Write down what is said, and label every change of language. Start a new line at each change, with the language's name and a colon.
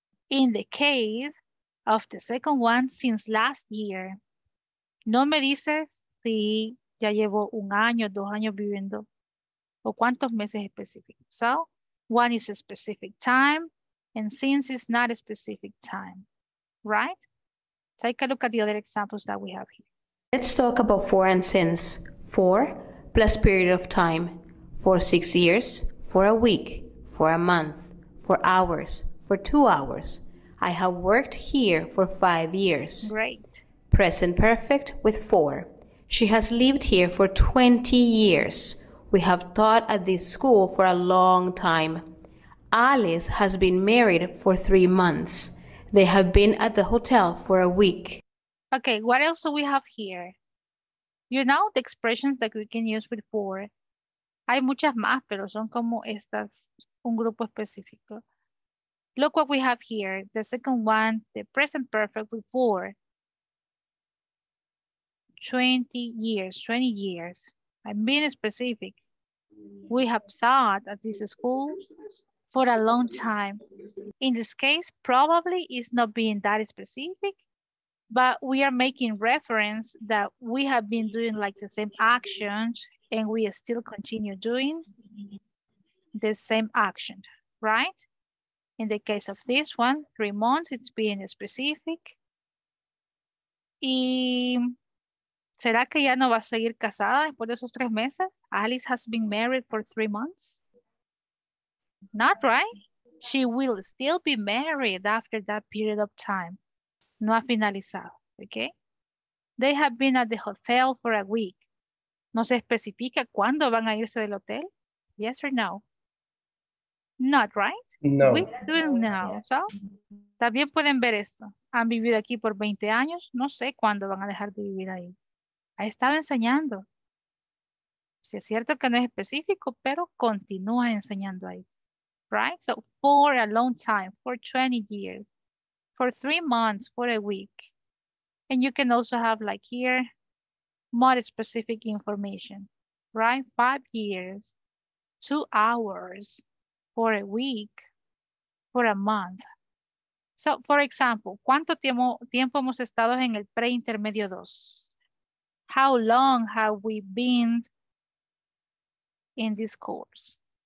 English: In the case of the second one, since last year.
Spanish: No me dices si ya llevo un año, 2 años viviendo o cuántos meses específicos.
English: So, one is a specific time and since is not a specific time. Right? Take a look at the other examples that we have here. Let's talk about for and since. For plus period of time. For 6 years, for a week, for a month, for hours, for 2 hours. I have worked here for 5 years. Great. Present perfect with for. She has lived here for 20 years. We have taught at this school for a long time. Alice has been married for 3 months. They have been at the hotel for a week. Okay, what else do we have here? You know the expressions that we can use with for.
Spanish: Hay muchas más, pero son como estas, un grupo específico.
English: Look what we have here. The second one, the present perfect with for. 20 years, 20 years. I'm being specific. We have taught at this school for a long time. In this case, probably it's not being that specific, but we are making reference that we have been doing like the same actions and we still continue doing the same action, right? In the case of this one, 3 months, it's being specific.
Spanish: Y ¿será que ya no va a seguir casada después de esos 3 meses?
English: Alice has been married for 3 months. Not right. She will still be married after that period of time.
Spanish: No ha finalizado,
English: okay? They have been at the hotel for a week.
Spanish: ¿No se especifica cuándo van a irse del hotel?
English: Yes or no? Not right? No. We don't know. So,
Spanish: también pueden ver esto. Han vivido aquí por 20 años. No sé cuándo van a dejar de vivir ahí. Ha estado enseñando. Sí, es cierto que no es específico, pero continúa enseñando ahí.
English: Right? So, for a long time, for 20 years, for 3 months, for a week. And you can also have like here, more specific information. Right? 5 years, 2 hours, for a week, for a month. So, for example,
Spanish: ¿cuánto tiempo hemos estado en el preintermedio 2?
English: How long have we been in this course?